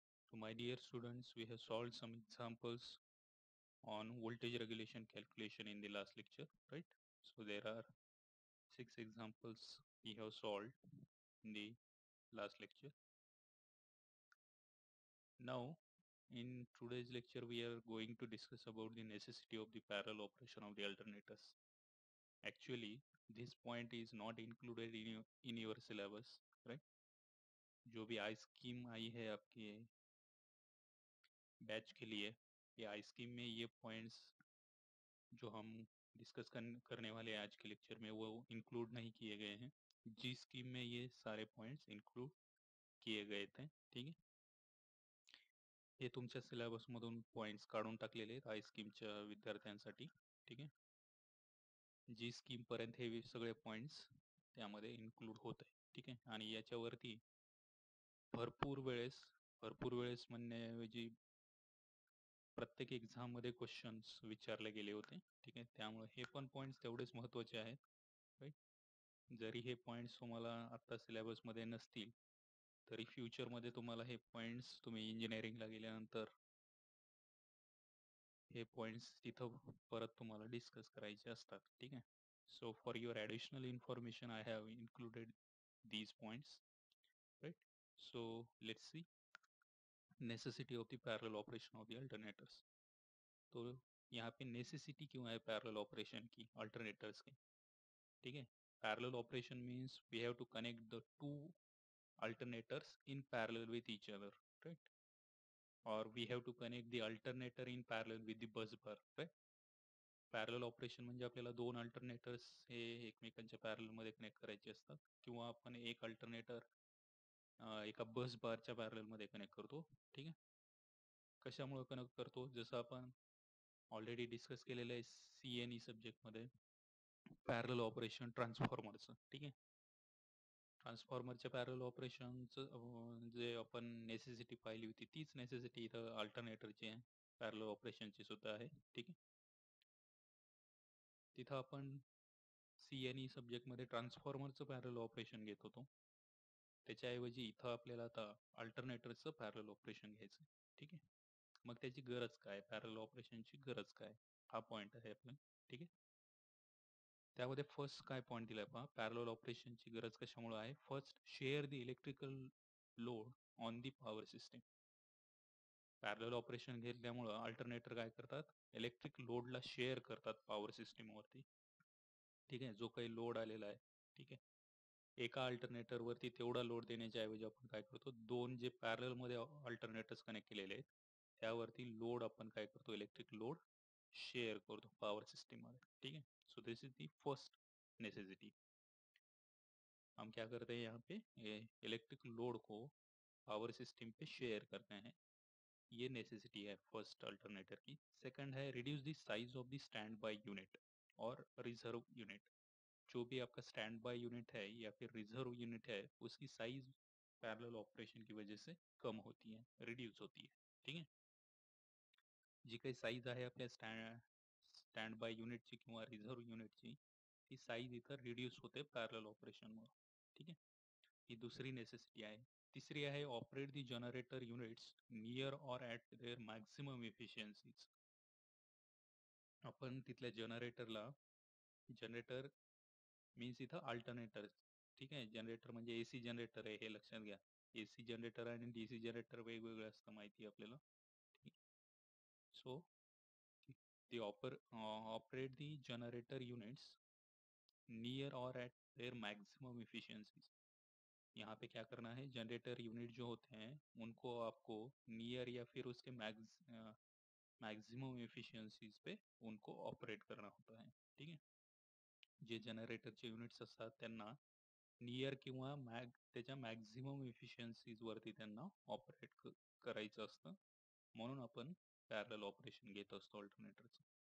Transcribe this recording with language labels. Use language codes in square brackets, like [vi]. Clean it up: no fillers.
[en] To my dear students, we have solve some examples on voltage regulation calculation in the last lecture, right? So there are six examples we have solve in the last lecture. Now in today's lecture we are going to discuss about the necessity of the parallel operation of the alternators. Actually, this point is not included in your syllabus, right? [hi] जो भी आई scheme आई है आपके batch के लिए, ये आई scheme में ये points जो हम डिस्कस करने वाले हैं आज के लेक्चर में, वो इंक्लूड नहीं किए गए हैं। जी स्कीम में ये सारे पॉइंट्स इंक्लूड किए गए थे, ठीक है? [mr] ये तुमच्या सिलेबसमधून पॉइंट्स काढून टाकलेले आहेत आई स्कीमच्या विद्यार्थ्यांसाठी, ठीक आहे? जी स्कीम पर्यंत हे सगळे पॉइंट्स त्यामध्ये इन्क्लूड होत आहे, ठीक आहे? आणि याच्यावरती भरपूर वेळेस म्हणण्याऐवजी प्रत्येक एक्झाम मध्ये क्वेश्चन्स विचारले गेले होते, ठीक आहे? त्यामुळे हे पण पॉइंट्स तेवढेच महत्त्वाचे आहेत, राईट? जरी हे पॉइंट्स तुम्हाला आता सिलेबसमध्ये नसतील, तरी फ्युचरमध्ये तुम्हाला हे पॉइंट्स, तुम्ही इंजिनिअरिंगला गेल्यानंतर हे पॉइंट्स तिथं परत तुम्हाला डिस्कस करायचे असतात, ठीक आहे? [en] So for your additional information I have included these points, right? So let's see necessity of the parallel operation of the alternators. [hi] तो यहाँ पे नेसेसिटी क्यों आहे पॅरल ऑपरेशन की अल्टरनेटर्स की, [mr] ठीक आहे? [en] Parallel operation means we have to connect the two alternators in parallel with each other, right? Or we have to connect the alternator in parallel with the bus bar, right? [mr] Parallel operation म्हणजे आपल्याला दोन alternators हे एकमेकांच्या parallel मध्ये connect करायचे असतात, किंवा आपण एक alternator एका bus bar च्या parallel मध्ये connect करतो, ठीक आहे? कशामुळे connect करतो? जसं आपण ऑलरेडी डिस्कस केलेलं आहे सी एन ई सब्जेक्ट मध्ये पॅरल ऑपरेशन ट्रान्सफॉर्मरचं, ठीक आहे? ट्रान्सफॉर्मरच्या पॅरल ऑपरेशनचं जे आपण नेसेसिटी पाहिली होती, तीच नेसेसिटी इथं अल्टरनेटरची आहे, पॅरल ऑपरेशनची सुद्धा आहे, ठीक आहे? तिथं आपण सी एन ई सब्जेक्टमध्ये ट्रान्सफॉर्मरचं पॅरल ऑपरेशन घेत होतो, त्याच्याऐवजी इथं आपल्याला आता अल्टरनेटरचं पॅरल ऑपरेशन घ्यायचं, ठीक आहे? मग त्याची गरज काय, पॅरल ऑपरेशनची गरज काय, हा पॉइंट आहे आपला, ठीक आहे? त्यामध्ये फर्स्ट काय पॉईंट दिलाय पहा, पॅरल ऑपरेशनची गरज कशामुळे आहे? [en] First, share the electrical load on the power system. [mr] पॅरल ऑपरेशन घेतल्यामुळं अल्टरनेटर काय करतात, इलेक्ट्रिक लोडला शेअर करतात पॉवर सिस्टीमवरती, ठीक आहे? जो काही लोड आलेला आहे, ठीक आहे, एका अल्टरनेटरवरती तेवढा लोड देण्याच्या ऐवजी आपण काय करतो, दोन जे पॅरल मध्ये अल्टरनेटर्स कनेक्ट केलेले आहेत त्यावरती लोड आपण काय करतो, इलेक्ट्रिक लोड शेअर करतो पॉवर सिस्टीममध्ये, ठीक आहे? [en] So this is the first necessity. [hi] हम क्या करते हैं यहाँ पे, इलेक्ट्रिक लोड को पावर सिस्टम पे शेयर करते हैं, ये नेसेसिटी है फर्स्ट अल्टरनेटर की। [en] Second है, reduce the size of the stand by unit और reserve unit. [hi] जो भी आपका स्टैंड बाय यूनिट है या फिर रिजर्व यूनिट है, उसकी साइज पैरेलल ऑपरेशन की वजह से कम होती है, रिड्यूस होती है, ठीक है? [mr] जी काही साइज आहे आपल्या स्टँड बाय युनिटची किंवा रिझर्व युनिटची, ती साईज इथं रिड्यूस होते पॅरल ऑपरेशनमुळे, ठीक आहे? ही दुसरी नेसेसिटी आहे। तिसरी आहे, [en] Operate the generator units near or at their maximum efficiencies. [mr] आपण तिथल्या जनरेटरला, जनरेटर मीन्स इथं अल्टरनेटर, ठीक आहे? जनरेटर म्हणजे एसी जनरेटर आहे, हे लक्षात घ्या। एसी जनरेटर आणि डीसी जनरेटर वेगवेगळे असतं, माहिती आपल्याला। [en] So they operate the generator units near or at their maximum efficiencies. [hi] यहाँ पे क्या करना है, जनरेटर युनिट जो होते हैं उनको आपको नियर या फिर उसके मॅक्सिमम इफिशियन्सीज पे उनको ऑपरेट करना होता है, ठीक है? [mr] जे जनरेटरचे युनिट्स असतात त्यांना नियर किंवा त्याच्या मॅक्सिमम इफिशियन्सीज वरती त्यांना ऑपरेट करायचं असतं, म्हणून आपण पॅरल ऑपरेशन घेत असतो अल्टरनेटरचं।